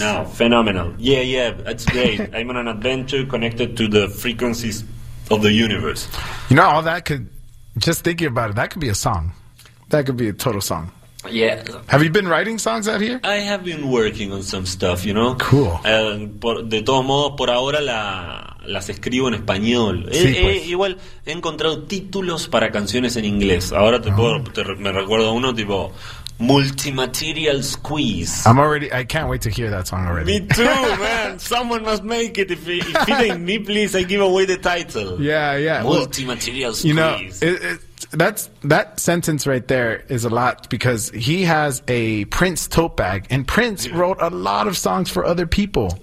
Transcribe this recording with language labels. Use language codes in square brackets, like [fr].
[en] No, phenomenal. Yeah, that's great. I'm on an adventure connected to the frequencies of the universe. You know, all that could. Just thinking about it, that could be a song. That could be a total song. Yeah. Have you been writing songs out here? I have been working on some stuff, you know. Cool. [es] De todos modos, por ahora las escribo en español. Sí, igual he encontrado títulos para canciones en inglés. Ahora me recuerdo uno tipo Multimaterial Squeeze. [en] I can't wait to hear that song already. Me too, man. Someone must make it. If it ain't me, please, I give away the title. Yeah. Multimaterial Squeeze. You know, that sentence right there is a lot because he has a Prince tote bag, and Prince wrote a lot of songs for other people.